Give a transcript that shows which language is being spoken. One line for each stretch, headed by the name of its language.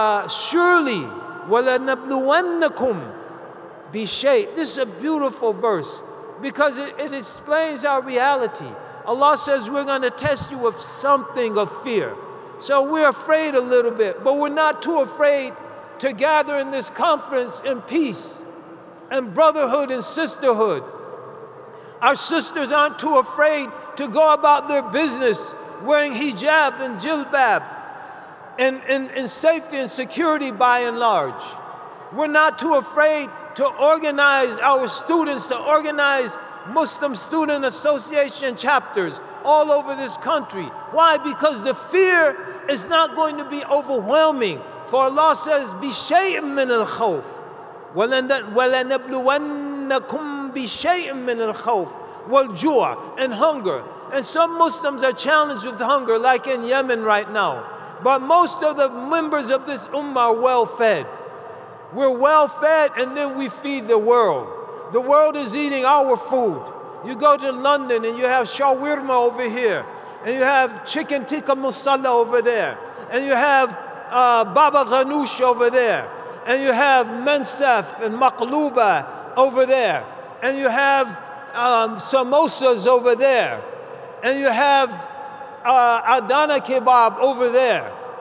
English: Surely,
Arabic: وَلَنَبْلُوَنَّكُمْ بِشَيْءٍ.
English: This is a beautiful verse because it explains our reality. Allah says, we're going to test you with something of fear. So we're afraid a little bit, but we're not too afraid to gather in this conference in peace and brotherhood and sisterhood. Our sisters aren't too afraid to go about their business wearing hijab and jilbab and in safety and security by and large. We're not too afraid to organize our students, to organize Muslim student association chapters all over this country. Why? Because the fear is not going to be overwhelming. For Allah says,
Arabic: بِشَيْءٍ مِّنَ الْخَوْفِ وَلَنَبْلُوَنَّكُمْ بِشَيْءٍ مِّنَ الْخَوْفِ وَالْجُوعِ
English: and hunger. And some Muslims are challenged with hunger, like in Yemen right now. But most of the members of this ummah are well fed. We're well fed, and then we feed the world. The world is eating our food. You go to London and you have shawarma over here, and you have chicken tikka masala over there, and you have baba ghanoush over there, and you have mensef and maqlooba over there, and you have samosas over there, and you have adana kebab over there.